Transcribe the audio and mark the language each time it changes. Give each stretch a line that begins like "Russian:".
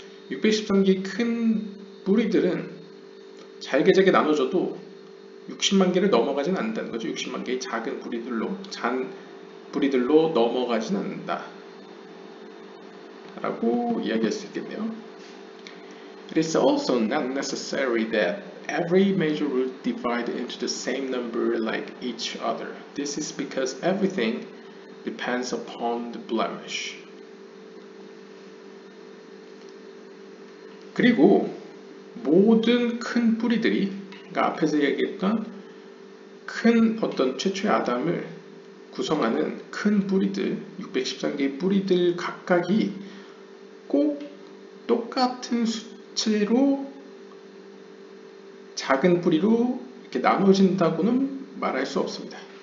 Korean: 613개의 큰 뿌리들은 잘게 잘게 나눠져도 60만 개를 넘어가진 않는다는 거죠. 60만 개의 작은 뿌리들로, 잔 뿌리들로 넘어가진 않는다. 라고 이야기할 수 있겠네요.
English: It is also not necessary that every major root divide into the same number like each other. This is because everything depends upon the blemish.
Korean: 그리고 모든 큰 뿌리들이, 그러니까 앞에서 얘기했던 큰 어떤 최초의 아담을 구성하는 큰 뿌리들, 613개의 뿌리들 각각이 꼭 똑같은 수치로 작은 뿌리로 이렇게 나눠진다고는 말할 수 없습니다.